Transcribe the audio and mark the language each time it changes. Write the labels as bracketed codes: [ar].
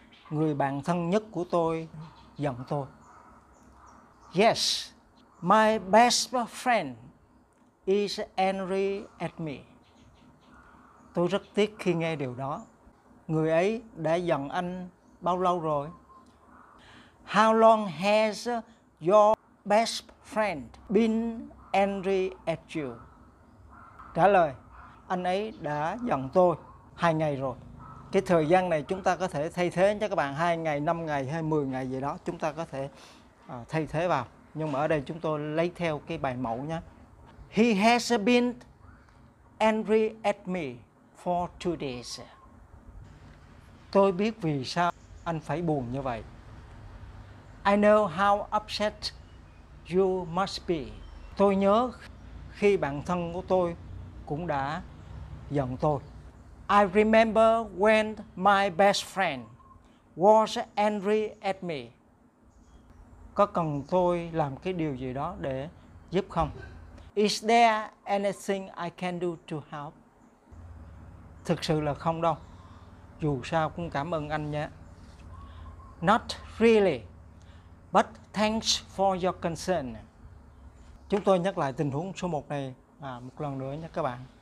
[vi] Người bạn thân nhất của tôi giận tôi. [en] Yes. My best friend is angry at me. [vi] Tôi rất tiếc khi nghe điều đó. Người ấy đã giận anh bao lâu rồi? [en] How long has your best friend been angry at you? [vi] Trả lời, anh ấy đã giận tôi 2 ngày rồi. Cái thời gian này chúng ta có thể thay thế cho các bạn 2 ngày, 5 ngày hay 10 ngày gì đó. Chúng ta có thể thay thế vào. Nhưng mà ở đây chúng tôi lấy theo cái bài mẫu nhé. [en] He has been angry at me for 2 days. [vi] Tôi biết vì sao anh phải buồn như vậy. [en] I know how upset you must be. [vi] Tôi nhớ khi bạn thân của tôi cũng đã giận tôi. [en] I remember when my best friend was angry at me. [vi] Có cần tôi làm cái điều gì đó để giúp không? [en] Is there anything I can do to help? [vi] Thực sự là không đâu. Dù sao cũng cảm ơn anh nhé. [en] Not really, but thanks for your concern. [vi] Chúng tôi nhắc lại tình huống số 1 này một lần nữa nha các bạn.